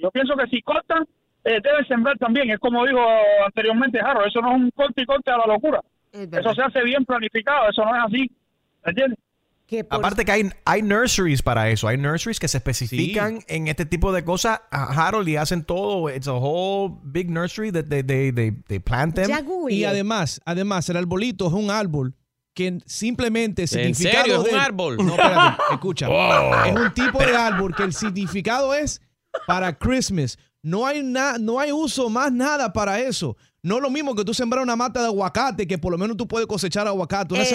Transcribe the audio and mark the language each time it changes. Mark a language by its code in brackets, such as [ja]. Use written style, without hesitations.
[es] Yo pienso que si cortan, deben sembrar también. Es como dijo anteriormente Jaro, eso no es un corte y corte a la locura. Eso se hace bien planificado, eso no es así, ¿entiendes? Aparte que hay nurseries para eso. Hay nurseries que se especifican sí. En este tipo de cosas. Harold, y hacen todo. [en] It's a whole big nursery that they plant them. [es] Y además, el arbolito es un árbol que simplemente significado... ¿En serio? ¿Es un árbol? No, espérate, escucha. Wow. Es un tipo de árbol que el significado es para Christmas. No hay uso más nada para eso. No es lo mismo que tú sembrar una mata de aguacate que por lo menos tú puedes cosechar aguacate.